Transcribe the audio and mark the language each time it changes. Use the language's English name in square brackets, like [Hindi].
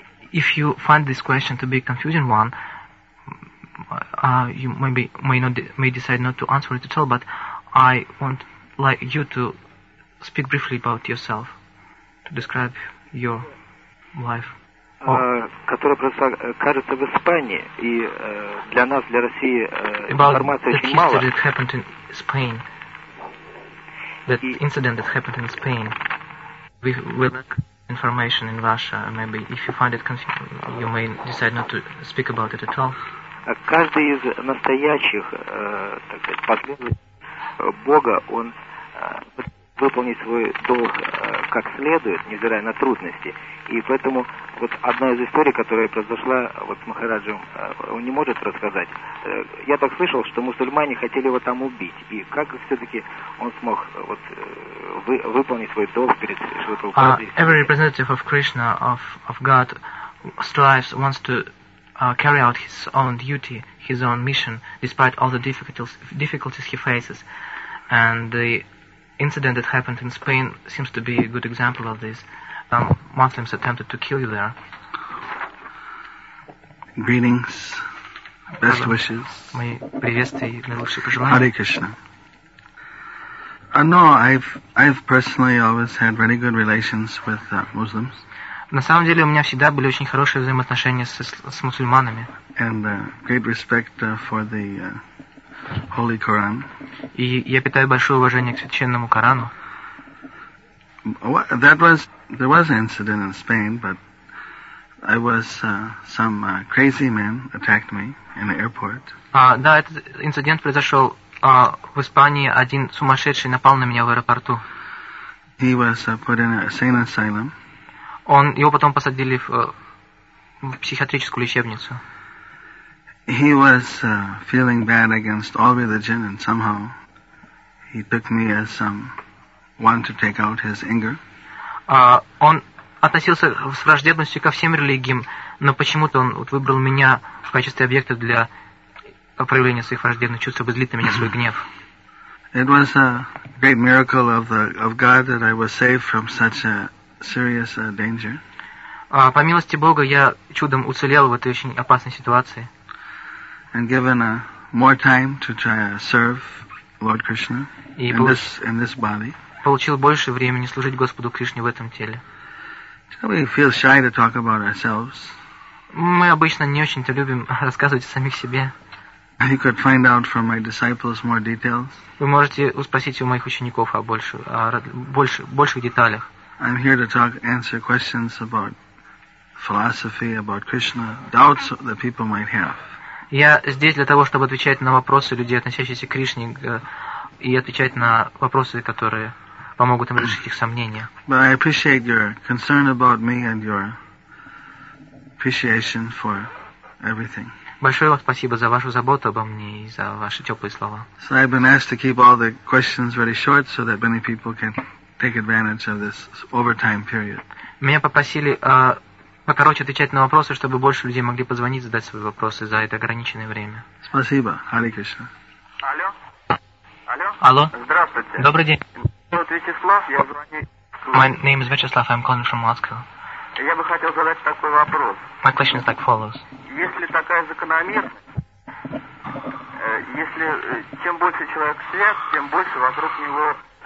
[English] If you find this question to be a confusing one, you maybe may decide not to answer it at all, but I want like you to speak briefly about yourself, to describe your life. [Russian] Которая просто кажется в Испании, и для нас, для России, информации очень мало. [English] About the history that happened in Spain, that incident that happened in Spain. We lack information in Russia, and maybe if you find it confusing, you may decide not to speak about it at all. [Russian] Каждый из настоящих, так сказать, последователей Бога, он выполнить свой долг как следует, невзирая на трудности. И поэтому вот одна из историй, которая произошла вот с Махараджем, он не может рассказать. Я так слышал, что мусульмане хотели его там убить. И как все-таки он смог вот выполнить свой долг перед Шри Прабхупадой? [English] Every representative of Krishna, of God, strives, wants to carry out his own duty, his own mission, despite all the difficulties he faces. And the incident that happened in Spain seems to be a good example of this. Muslims attempted to kill you there. Greetings. Best wishes. [Russian] Мои приветствия и наилучшие пожелания. Hare Krishna. [English] No, I've personally always had very good relations with Muslims. [Russian] На самом деле у меня всегда были очень хорошие взаимоотношения с мусульманами. [English] And great respect for the Holy Quran. [Russian] И я питаю большое уважение к священному Корану. [English] There was an incident in Spain, but I was some crazy man attacked me in the airport. [Russian] Да, этот инцидент произошел в Испании. Один сумасшедший напал на меня в аэропорту. [English] He was put in a insane asylum. [Russian] Его потом посадили в психиатрическую лечебницу. [English] He was feeling bad against all religion, and somehow he took me as some one to take out his anger. [Russian] Он относился с враждебностью ко всем религиям, но почему-то он вот выбрал меня в качестве объекта для проявления своих враждебных чувств, чтобы злить на меня свой гнев. [English] It was a great miracle of God that I was saved from such a serious danger. [Russian] По милости Бога я чудом уцелел в этой очень опасной ситуации. [English] And given more time to try serve Lord Krishna in this body. [Russian] Получил больше времени служить Господу Кришне в этом теле. [English] We feel shy to talk about ourselves. [Russian] Мы обычно не очень-то любим рассказывать о самих себе. [English] You could find out from my disciples more details. [Russian] Вы можете спросить у моих учеников о больших деталях. [English] I'm here to answer questions about philosophy, about Krishna, doubts that people might have. [Russian] Я здесь для того, чтобы отвечать на вопросы людей, относящиеся к Кришне, и отвечать на вопросы, которые помогут им решить их сомнения. [English] But I appreciate your concern about me and your appreciation for everything. [Russian] Большое вам спасибо за вашу заботу обо мне и за ваши теплые слова. [English] So I've been asked to keep all the questions very short so that many people can take advantage of this overtime period. [Russian] Меня попросили покороче отвечать на вопросы, чтобы больше людей могли позвонить, задать свои вопросы за это ограниченное время. Спасибо. Hare Krishna. Алло. Алло. Алло. Здравствуйте. Добрый день. Меня зовут Вячеслав, я звоню. [English] My name is Vyacheslav, I'm calling from Moscow. [Russian] Я бы хотел задать такой вопрос. [English] My question is like follows. [Russian] Если такая закономерность, если чем больше человек связ, тем больше вокруг него.